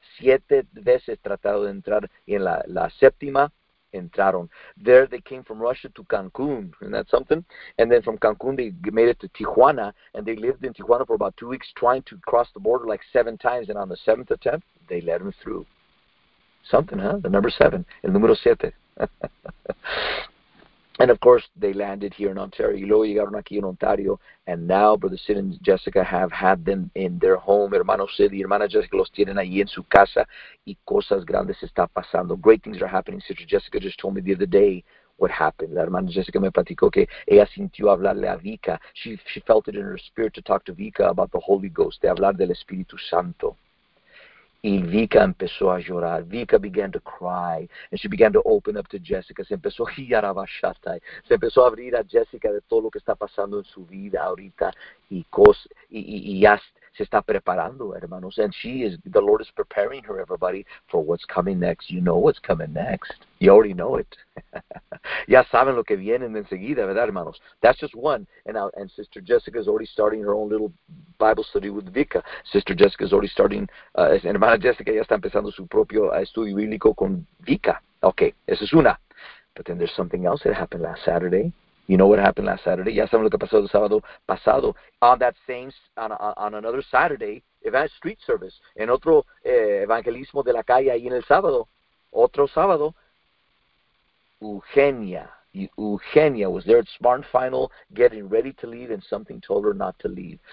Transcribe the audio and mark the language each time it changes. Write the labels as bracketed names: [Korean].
[Spanish] Siete veces tratado de entrar, y en la séptima entraron. [English] There they came from Russia to Cancún, isn't that something? And then from Cancún they made it to Tijuana, and they lived in Tijuana for about 2 weeks, trying to cross the border like seven times, and on the seventh attempt, they let them through. Something, huh? The number seven, [Spanish] el número siete. [English] And of course, they landed here in Ontario. [Spanish] Y luego llegaron aquí en Ontario. [English] And now, Brother Sid and Jessica have had them in their home. [Spanish] Hermano Sid y hermana Jessica los tienen ahí en su casa. Y cosas grandes está pasando. [English] Great things are happening. Sister Jessica just told me the other day what happened. [Spanish] La hermana Jessica me platicó que ella sintió hablarle a Vika. [English] She felt it in her spirit to talk to Vika about the Holy Ghost, [Spanish] de hablar del Espíritu Santo. Y Vika empezó a llorar. [English] Vika began to cry. And she began to open up to Jessica. [Spanish] Se empezó a girar a Bashatai. Se empezó a abrir a Jessica de todo lo que está pasando en su vida ahorita. Y ya se está preparando, hermanos. [English] And she is, the Lord is preparing her, everybody, for what's coming next. You know what's coming next. You already know it. [Spanish] Ya saben lo que viene enseguida, ¿verdad, hermanos? [English] That's just one. And Sister Jessica is already starting her own little Bible study with Vika. Sister Jessica is already starting, [Spanish] hermana Jessica ya está empezando su propio estudio bíblico con Vika. Okay, esa es una. [English] But then there's something else that happened last Saturday. You know what happened last Saturday? [Spanish] Ya saben lo que pasó el sábado pasado. [English] On that same, on another Saturday, event street service, [Spanish] en otro evangelismo de la calle ahí en el sábado, otro sábado, [English] Eugenia was there at Smart Final getting ready to leave and something told her not to leave.